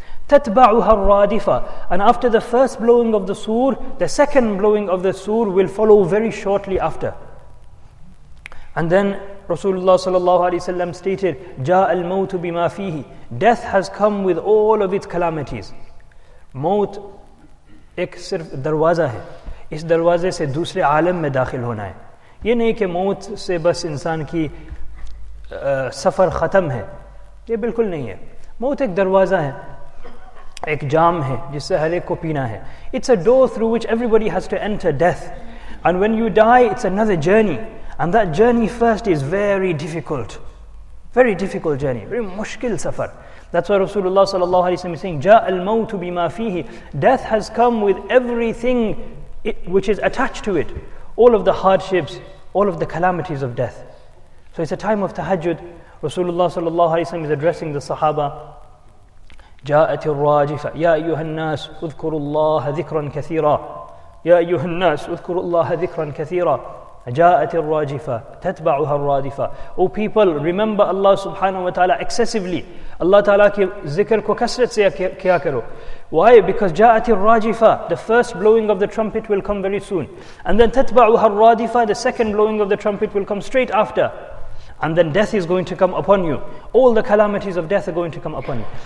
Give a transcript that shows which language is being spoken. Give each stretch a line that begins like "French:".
Arabic: Tatba'uha radifa,
English: and after the first blowing of the sur, the second blowing of the sur will follow very shortly after. And then Rasulullah sallallahu alayhi wa sallam stated,
Arabic: Ja'a al-mawtu bima fihi,
English: death has come with all of its calamities.
Urdu: Maut ek sirf darwaza hai. اس دروازے سے دوسرے عالم میں داخل ہونا ہے یہ نہیں کہ موت سے بس انسان کی سفر ختم ہے یہ بالکل نہیں ہے موت ایک دروازہ ہے ایک جام ہے جس سے ہر ایک کو پینا ہے
English: it's a door through which everybody has to enter death and when you die it's another journey and that journey first is very difficult journey
Urdu: very مشکل سفر.
English: That's why Rasulullah sallallahu alayhi wa sallam is saying
Arabic: جاء الموت بما فيه,
English: death has come with everything which is attached to it, all of the hardships, all of the calamities of death. So it's a time of tahajjud. Rasulullah sallallahu alayhi wa sallam is addressing the Sahaba.
Arabic: جاءت الراجفة يا أيها الناس اذكروا الله ذكرا كثيرا يا أيها الناس اذكروا الله ذكرا كثيرا جاءت الراجفة تتبعها الرادفة.
English: O people, remember Allah subhanahu wa ta'ala excessively.
Urdu: Allah ta'ala ki zikr ko kasrat se kya karo.
English: Why? Because
Arabic: جاءت الراجفة,
English: the first blowing of the trumpet will come very soon. And then
Arabic: تتبعها الرادفة,
English: the second blowing of the trumpet will come straight after. And then death is going to come upon you. All the calamities of death are going to come upon you.